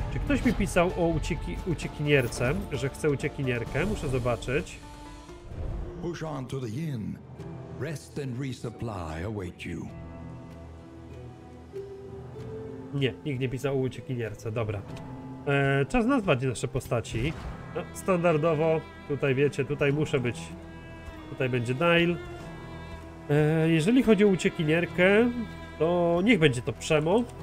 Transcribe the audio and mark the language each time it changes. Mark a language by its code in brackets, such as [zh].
[pl] Czy ktoś mi pisał o uciekinierce, że chce uciekinierkę? Muszę zobaczyć. [en] Push on to the inn. Rest and resupply await you. [pl] Nie, nikt nie pisał o uciekinierce. Dobra. Czas nazwać nasze postaci. No, standardowo, tutaj wiecie, tutaj muszę być. Tutaj będzie Nile. Jeżeli chodzi o uciekinierkę, to niech będzie to Przemo.